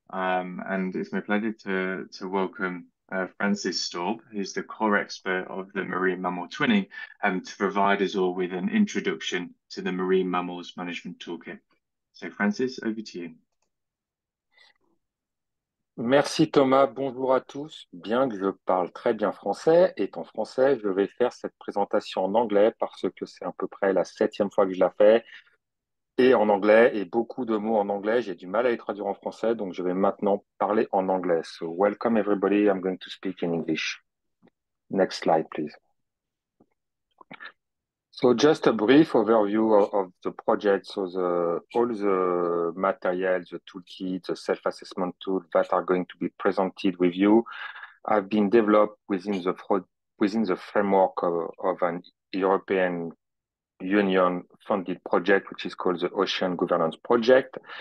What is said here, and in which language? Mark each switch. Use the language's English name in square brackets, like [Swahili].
[English] And it's my pleasure to welcome Francis Storb, who's the core expert of the marine mammal twinning, to provide us all with an introduction to the Marine Mammals Management Toolkit. So, Francis, over to you. [French] Merci Thomas, bonjour à tous. Bien que je parle très bien français, étant français, je vais faire cette présentation en anglais parce que c'est à peu près la septième fois que je la fais. Et en anglais, et beaucoup de mots en anglais, j'ai du mal à les traduire en français, donc je vais maintenant parler en anglais. [English] So, welcome everybody, I'm going to speak in English. Next slide, please. So just a brief overview of the project. So all the materials, the toolkit, the self-assessment tool that are going to be presented with you have been developed within the framework of an European Union funded project, which is called the Ocean Governance Project.